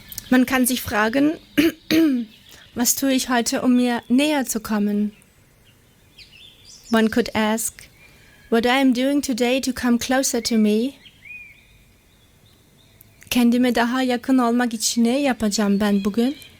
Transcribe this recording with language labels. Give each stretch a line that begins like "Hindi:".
German: Man kann sich fragen, was tue ich heute, um mir näher zu kommen?
English: One could ask, what I am doing today to come closer to me?
Turkish: Kendime daha yakın olmak için ne yapacağım ben bugün?